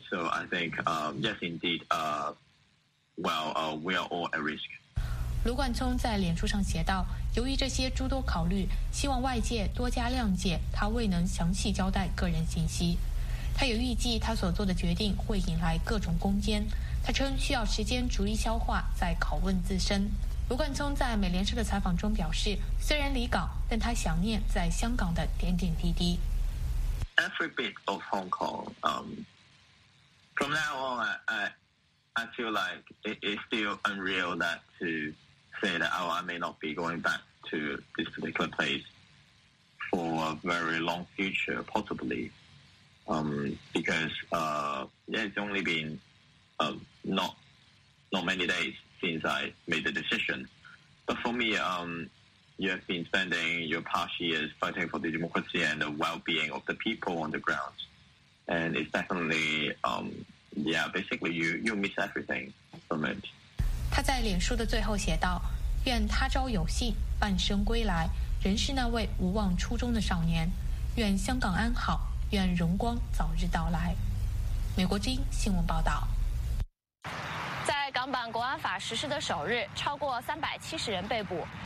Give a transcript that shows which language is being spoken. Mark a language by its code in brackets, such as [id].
[en] So I think, yes, indeed, we are all at risk. [zh] 卢冠聪在脸书上写道，由于这些诸多考虑，希望外界多加谅解他未能详细交代个人信息。他也预计他所做的决定会引来各种攻坚，他称需要时间逐一消化再拷问自身。卢冠聪在美联社的采访中表示，虽然离港，但他想念在香港的点点滴滴。 [en] Every bit of Hong Kong from now on I feel like it's still unreal that to say that I may not be going back to this particular place for a very long future possiblyBecause it's only been not many days since I made the decision. But for me, you have been spending your past years fighting for the democracy and the well-being of the people on the ground. And it's definitely, basically you miss everything from it. [zh] 他在脸书的最后写道，愿他朝有幸半生归来，仍是那位无忘初衷的少年，愿香港安好。愿荣光早日到来。美国之音新闻报道。在港版国安法实施的首日，超过370人被捕。